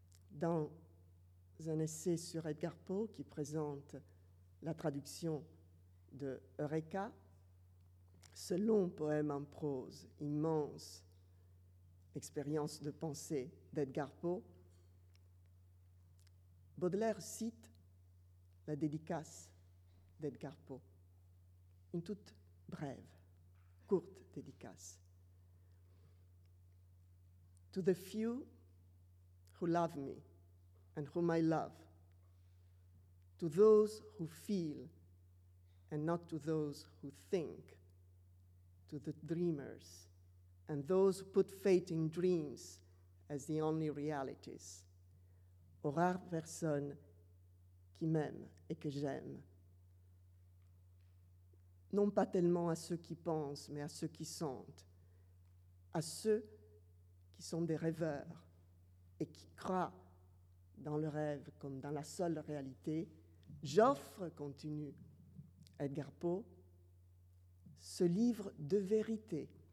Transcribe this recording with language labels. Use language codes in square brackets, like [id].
[fr] Dans un essai sur Edgar Poe qui présente la traduction de Eureka, ce long poème en prose, immense expérience de pensée d'Edgar Poe, Baudelaire cite la dédicace d'Edgar Poe, une toute brève, courte dédicace. [en] To the few who love me and whom I love, to those who feel and not to those who think, to the dreamers and those who put faith in dreams as the only realities, [fr] aux rares personnes qui m'aiment et que j'aime. Non pas tellement à ceux qui pensent, mais à ceux qui sentent, à ceux qui sont des rêveurs et qui croient dans le rêve comme dans la seule réalité, j'offre, continue Edgar Poe, ce livre de vérité.